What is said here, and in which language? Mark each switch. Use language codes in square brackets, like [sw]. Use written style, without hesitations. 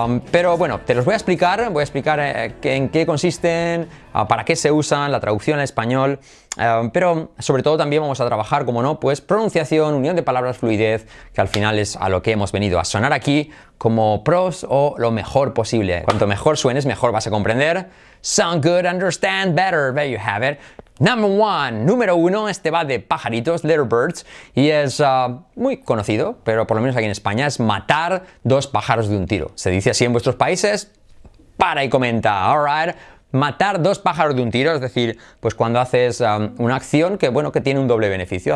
[es] Pero bueno, te los voy a explicar en qué consisten, para qué se usan, la traducción al español, pero sobre todo también vamos a trabajar, como no, pues pronunciación, unión de palabras, fluidez, que al final es a lo que hemos venido a sonar aquí, como pros o lo mejor posible. Cuanto mejor suenes, mejor vas a comprender. [en] Sound good, understand better, there you have it. [es] Número uno, este va de pajaritos, [en] little birds, [es] y es muy conocido, pero por lo menos aquí en España, es matar 2 pájaros de un tiro. ¿Se dice así en vuestros países? Para y comenta, alright. Matar 2 pájaros de un tiro, es decir, pues cuando haces una acción que, bueno, que tiene un doble beneficio.